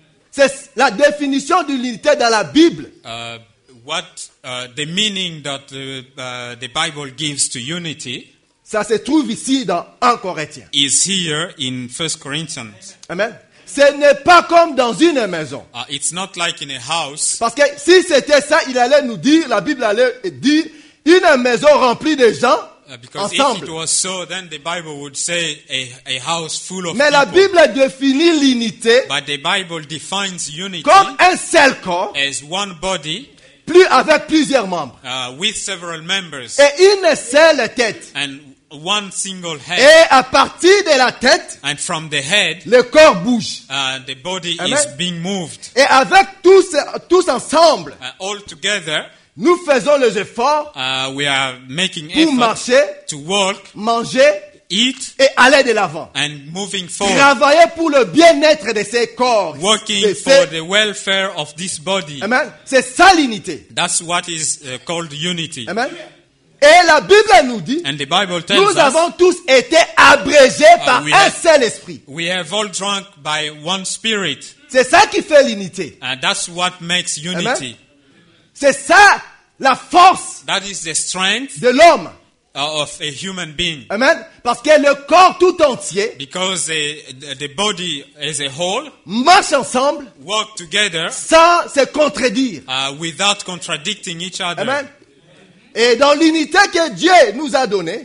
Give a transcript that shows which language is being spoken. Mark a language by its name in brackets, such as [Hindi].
[French] C'est la définition de l'unité dans la Bible. [English] The meaning that the Bible gives to unity. [French] Ça se trouve ici dans 1 Corinthiens. [English] Is here in 1 Corinthians. Amen. [French] Ce n'est pas comme dans une maison. [English] It's not like in a house. [French] Parce que si c'était ça, il allait nous dire, la Bible allait dire, une maison remplie de gens. [English] Because [French] ensemble. [English] If it was so, then the Bible would say a house full of [French] mais [English] people. [French] La Bible définit l'unité [English] but the Bible defines unity [French] comme un seul corps [English] as one body [French] plus avec plusieurs membres. [English] With several members. [French] Et une seule tête. [English] And one single head. [French] Et à partir de la tête, [English] and from the head, [French] le corps bouge. [English] The body Amen. Is being moved. [French] Et avec tous ensemble, [English] all together, [French] nous faisons les efforts [English] we are making [French] pour marcher, [English] to walk, [French] manger, [English] eat, [French] et aller de l'avant. [English] And moving forward. [French] Travailler pour le bien-être de ces corps. [English] Working for the welfare of this body. [French] Amen. C'est ça l'unité. [English] That's what is called unity. [French] Amen. Et la Bible nous dit, [English] and the Bible tells [French] nous [English] us, [French] avons tous été abrégés par un seul esprit. [English] We have all drunk by one spirit. [French] C'est ça qui fait l'unité. [English] And that's what makes unity. [French] Amen. C'est ça la force. [English] That is the strength [French] de l'homme. [English] Of a human being. Amen. [French] Parce que le corps tout entier, [English] because the body as a whole, [French] marche ensemble, [English] work together, [French] sans se contredire, [English] without contradicting each other. Amen. [French] Et dans l'unité que Dieu nous a donnée,